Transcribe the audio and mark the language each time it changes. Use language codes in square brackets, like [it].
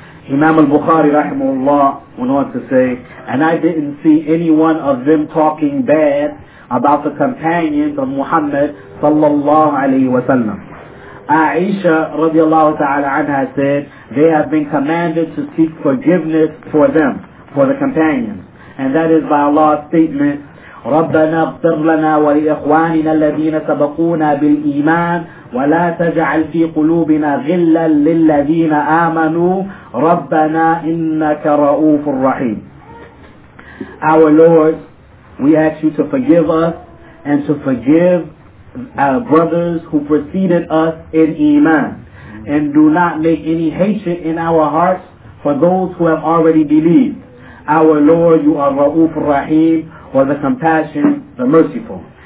[en] Imam al-Bukhari rahimahullah went on to say, and I didn't see any one of them talking bad about the companions of Muhammad sallallahu alayhi wa sallam. Aisha radiallahu ta'ala anha said, they have been commanded to seek forgiveness for them, for the companions. And that is by Allah's statement, [ar] رَبَّنَا اغْفِرْ لَنَا وَلِإِخْوَانِنَا الَّذِينَ سَبَقُونَا بِالْإِيمَانِ وَلَا تَجْعَلْ فِي قُلُوبِنَا غِلًّا لِلَّذِينَ آمَنُوا رَبَّنَا إِنَّكَ رَؤُوفٌ رَحِيمٌ. [en] Our Lord, we ask you to forgive us and to forgive our brothers who preceded us in Iman. And do not make any hatred in our hearts for those who have already believed. Our Lord, you are Ra'ufur Rahim, or the compassion, the merciful.